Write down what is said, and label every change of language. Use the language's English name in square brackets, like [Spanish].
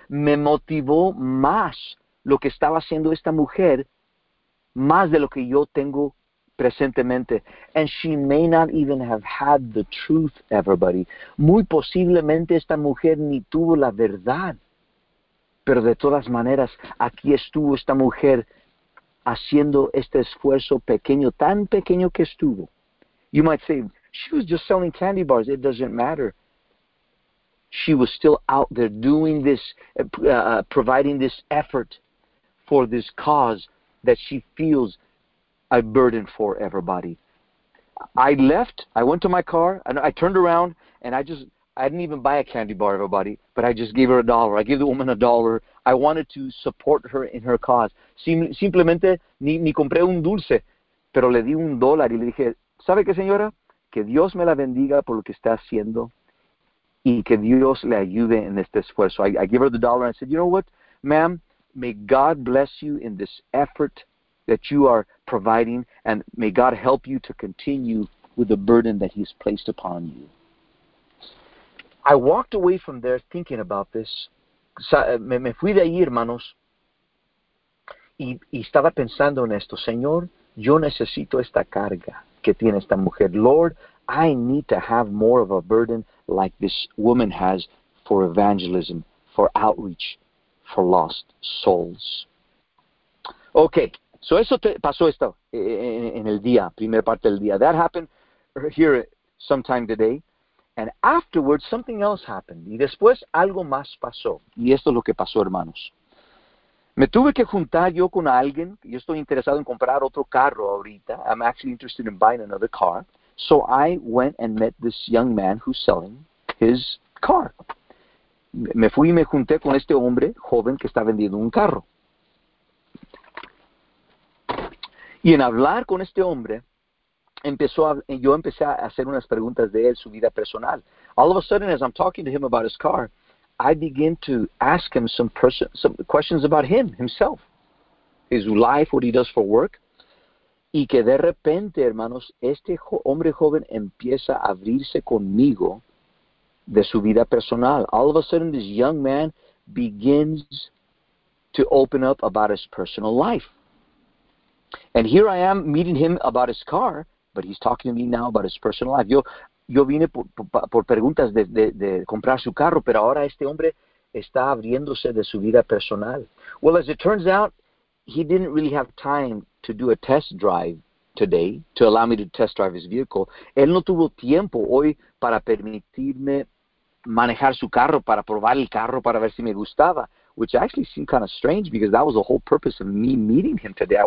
[Spanish] Me motivó más lo que estaba haciendo esta mujer, más de lo que yo tengo presentemente. [English] And she may not even have had the truth, everybody. [Spanish] Muy posiblemente esta mujer ni tuvo la verdad. Pero de todas maneras, aquí estuvo esta mujer haciendo este esfuerzo pequeño, tan pequeño que estuvo. [English] You might say, she was just selling candy bars. It doesn't matter. She was still out there doing this, providing this effort for this cause that she feels a burden for everybody. I left. I went to my car. And I turned around, and I didn't even buy a candy bar, everybody, but I just gave her a dollar. I gave the woman a dollar. I wanted to support her in her cause. [Spanish] Simplemente, ni compré un dulce, pero le di un dólar y le dije, ¿sabe qué, señora? Que Dios me la bendiga por lo que está haciendo y que Dios le ayude en este esfuerzo. [English] I gave her the dollar and I said, you know what, ma'am, may God bless you in this effort that you are providing, and may God help you to continue with the burden that he's placed upon you. I walked away from there thinking about this. [Spanish] Me fui de ahí, hermanos, y estaba pensando en esto. Señor, yo necesito esta carga que tiene esta mujer. [English] Lord, I need to have more of a burden like this woman has for evangelism, for outreach, for lost souls. [Spanish] Okay, so eso pasó esto en el día, primer parte del día. [English] That happened here sometime today. And afterwards, something else happened. [Spanish] Y después, algo más pasó. Y esto es lo que pasó, hermanos. Me tuve que juntar yo con alguien. Yo estoy interesado en comprar otro carro ahorita. [English] I'm actually interested in buying another car. So I went and met this young man who's selling his car. [Spanish] Me fui y me junté con este hombre joven que está vendiendo un carro. Y en hablar con este hombre, yo empecé a hacer unas preguntas de él, su vida personal. [English] All of a sudden, as I'm talking to him about his car, I begin to ask him some questions about him, himself, his life, what he does for work. [Spanish] Y que de repente, hermanos, este hombre joven empieza a abrirse conmigo de su vida personal. [English] All of a sudden, this young man begins to open up about his personal life. And here I am meeting him about his car, but he's talking to me now about his personal life. [Spanish] Yo vine por preguntas de comprar su carro, pero ahora este hombre está abriéndose de su vida personal. [English] Well, as it turns out, he didn't really have time to do a test drive today, to allow me to test drive his vehicle. [Spanish] Él no tuvo tiempo hoy para permitirme manejar su carro, para probar el carro, para ver si me gustaba, [English] which actually seemed kind of strange because that was the whole purpose of me meeting him today.